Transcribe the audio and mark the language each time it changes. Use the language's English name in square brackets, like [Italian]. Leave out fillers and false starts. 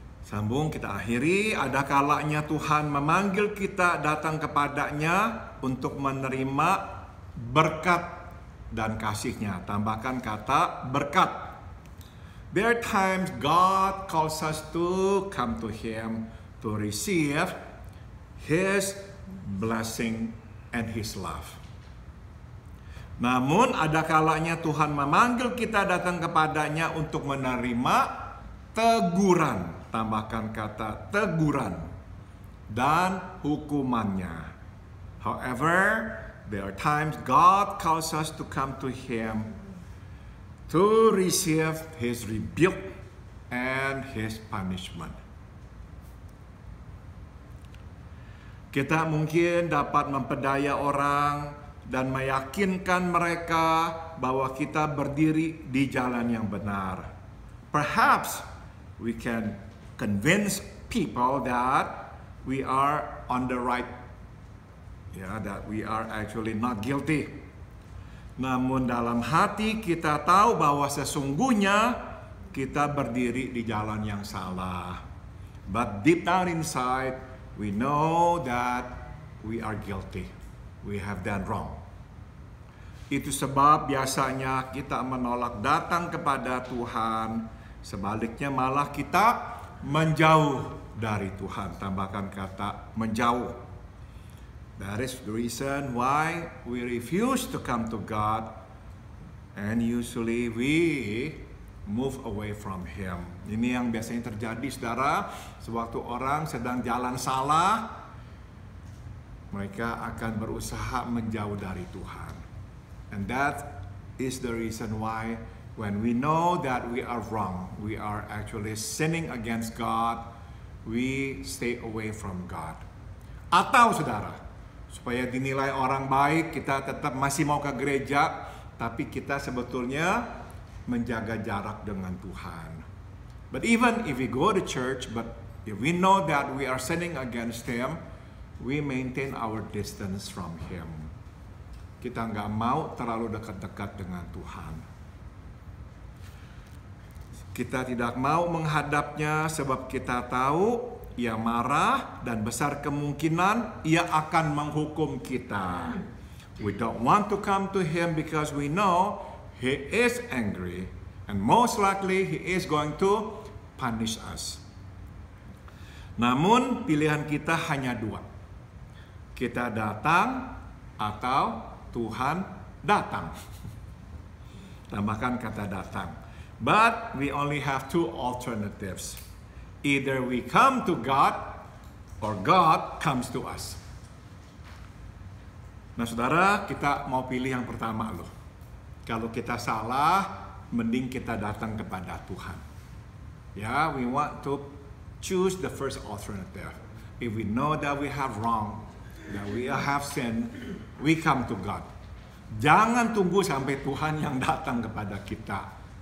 [Indonesian] Sambung, kita akhiri. Ada kalanya Tuhan memanggil kita datang kepada-Nya untuk menerima berkat dan kasih-Nya. Tambahkan kata berkat. [English] There are times God calls us to come to Him to receive His blessing and His love. [Indonesian] Namun ada kalanya Tuhan memanggil kita datang kepadanya untuk menerima teguran. Tambahkan kata teguran. Dan hukumannya. [English] However, there are times God calls us to come to Him to receive His rebuke and His punishment. [Indonesian] Kita mungkin dapat memperdaya orang dan meyakinkan mereka bahwa kita berdiri di jalan yang benar. [English] Perhaps we can convince people that we are on the right, yeah, that we are actually not guilty. [Indonesian] Namun dalam hati kita tahu bahwa sesungguhnya kita berdiri di jalan yang salah. [English] But deep down inside, we know that we are guilty. We have done wrong. [Indonesian] Itu sebab biasanya kita menolak datang kepada Tuhan. Sebaliknya malah kita menjauh dari Tuhan. Tambahkan kata menjauh. [English] That is the reason why we refuse to come to God. And usually we move away from Him. [Indonesian] Ini yang biasanya terjadi, saudara. Sewaktu orang sedang jalan salah, mereka akan berusaha menjauh dari Tuhan. [English] And that is the reason why when we know that we are wrong, we are actually sinning against God, we stay away from God. [Indonesian] Atau saudara, supaya dinilai orang baik, kita tetap masih mau ke gereja, tapi kita sebetulnya menjaga jarak dengan Tuhan. [English] But even if we go to church, but if we know that we are sinning against Him, we maintain our distance from Him. [Indonesian] Kita enggak mau terlalu dekat-dekat dengan Tuhan. Kita tidak mau menghadapnya sebab kita tahu Ia marah dan besar kemungkinan Ia akan menghukum kita. [English] We don't want to come to Him because we know He is angry and most likely He is going to punish us. [Indonesian] Namun pilihan kita hanya dua. Kita datang atau Tuhan datang. Tambahkan kata datang. [English] But we only have two alternatives. Either we come to God or God comes to us. [Indonesian] Nah saudara, kita mau pilih yang pertama loh. Kalau kita salah, mending kita datang kepada Tuhan. [English] Ya, yeah, we want to choose the first alternative. If we know that we have wrong, that we have sinned, we come to God. [Indonesian] Jangan tunggu sampai Tuhan yang datang kepada kita.